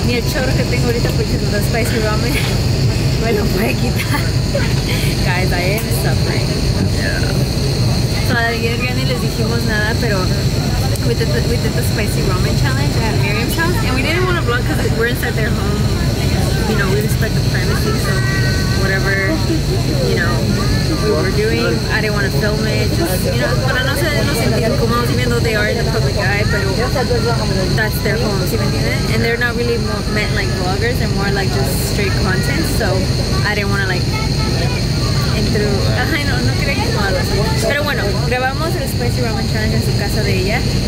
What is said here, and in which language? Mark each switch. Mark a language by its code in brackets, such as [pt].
[es] chorro que tengo ahorita porque los spicy ramen me lo puede quitar. [en] Guys, I am suffering. [es] Todavía ya ni les dijimos nada, pero [en] we did the spicy ramen challenge at Miriam's house, and we didn't want to vlog because we're inside their home. You know, we respect the privacy, so whatever, you know, we were doing, I didn't want to film it. Just, you know, [es] para no se no sentir cómodos, [en] even though they are in the public eye, [es] pero [en] that's their home, [es] ¿sí me entiendes? [en] And they're not really meant like vloggers, they're more like just straight content, so I didn't want to like... [es] Ajá, no quería que tomarlos. Pero bueno, grabamos el Spicy Ramen Challenge en su casa de ella.